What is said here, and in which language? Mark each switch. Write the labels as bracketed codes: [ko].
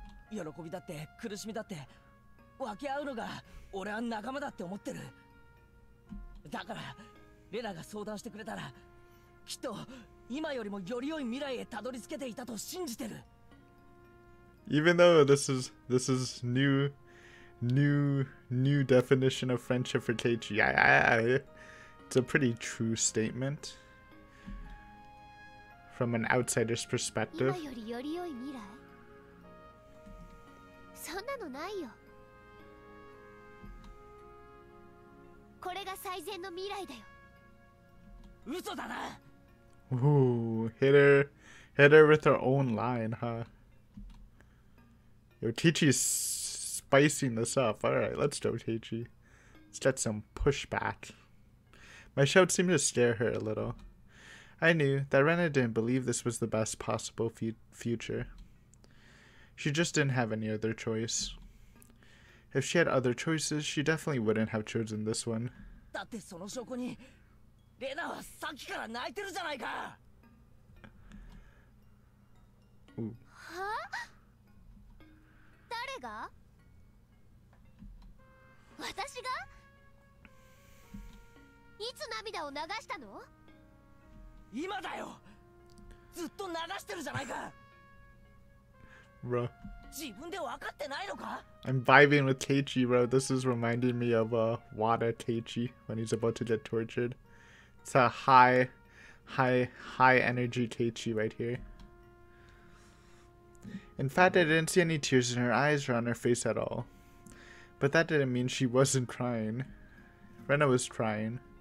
[ja] 喜びだって苦しみだって分け合うのが俺は仲間だって思ってる。だからレナが相談してくれたらきっと今よりもより良い未来へたどり着けていたと信じてる。 [en] Even though this is new definition of friendship for Keiichi, it's a pretty true statement from an outsider's perspective. [ja] 今よりより良い未来。そんなのないよ。これが最善の未来だよ。嘘だな。 [en] Ooh, hit her with her own line, huh? Yo, Teachy's spicing this up. Alright, let's go, Teachy. Let's get some pushback. My shout seemed to scare her a little. I knew that Rena didn't believe this was the best possible future. She just didn't have any other choice. If she had other choices, she definitely wouldn't have chosen this one. [ja] だってその証拠に、レナはさっきから泣いてるじゃないか。は？誰が？私が？いつ涙を流したの？今だよ。ずっと流してるじゃないか。 [en] Bro. [ja] 自分で分かってないのか? [en] I'm vibing with Keiichi, bro. This is reminding me of Wada Keiichi when he's about to get tortured. It's a high energy Keiichi right here. In fact, I didn't see any tears in her eyes or on her face at all. But that didn't mean she wasn't crying. Rena was crying.